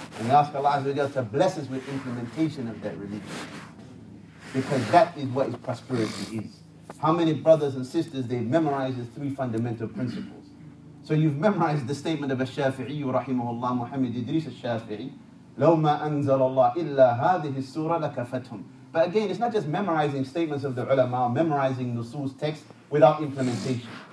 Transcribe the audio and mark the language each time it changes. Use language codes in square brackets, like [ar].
[en] And we ask Allah Azza wa Jal to bless us with implementation of that religion. Because that is what prosperity is. How many brothers and sisters, they memorize the three fundamental principles. So you've memorized the statement of الشافعي [ar] رحمه الله [en] محمد إدريس الشافعي. [ar] لو ما أنزل الله إلا هذه السورة لكفتهم. [en] But again, it's not just memorizing statements of the ulama, memorizing nusus text without implementation.